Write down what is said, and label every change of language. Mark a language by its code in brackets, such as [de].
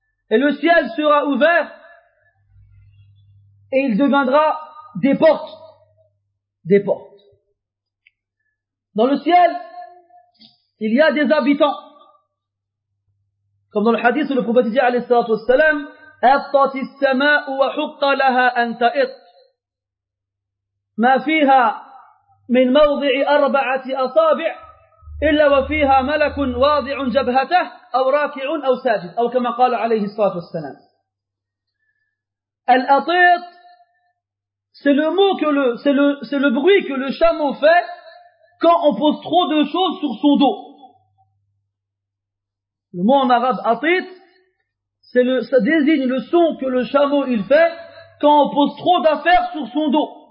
[fr] Et le ciel sera ouvert et il deviendra des portes. Des portes. Dans le ciel, il y a des habitants. Comme dans le hadith où le prophète dit alayhi salatu wa salam, [ar] أطت السماء وحق لها أن تأط ما فيها من موضع أربعة أصابع إلا وفيها ملك واضع جبهته أو راكع أو ساجد أو كما قال عليه الصلاة والسلام. [fr] الأطيط c'est le mot que le c'est le bruit que le chameau fait quand on pose trop de choses sur son dos. Le mot en arabe atit, c'est le ça désigne le son que le chameau il fait quand on pose trop d'affaires sur son dos.